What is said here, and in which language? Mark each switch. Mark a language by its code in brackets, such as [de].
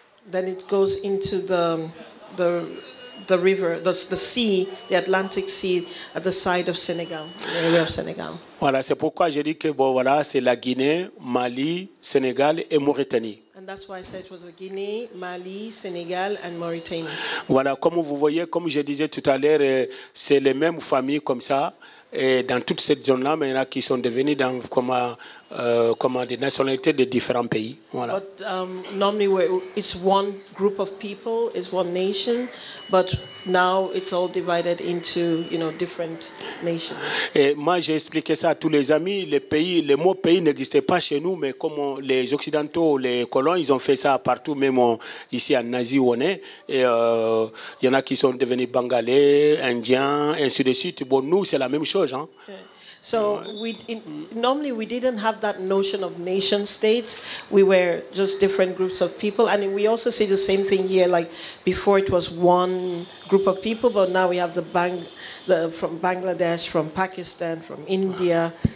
[en] Then it goes into the river, the sea, the Atlantic Sea, at the side of Senegal, the area of Senegal. [fr] Voilà, c'est pourquoi j'ai dit que bon, voilà, c'est la Guinée, Mali, Sénégal et Mauritanie. [en] And that's why I said it was a Guinée, Mali, Senegal and Mauritania. [fr] Voilà, comme vous voyez, comme je disais tout à l'heure, c'est les mêmes familles comme ça et dans toute cette zone-là, mais il y en a qui sont devenus dans comment des nationalités de différents pays. Voilà. [en] But normally it's one group of people, it's one nation, but now it's all divided into, you know, different nations. [fr] Et moi j'ai expliqué ça à tous les amis, les pays, le mot pays n'existait pas chez nous, mais comme les occidentaux, les colons, ils ont fait ça partout, même ici en Asie où on est, et il y en a qui sont devenus bengalais, indiens, ainsi de suite. Bon, nous c'est la même chose, hein. Okay. [en] So normally we didn't have that notion of nation states. We were just different groups of people. And we also see the same thing here, like before it was one group of people, but now we have from Bangladesh, from Pakistan, from India.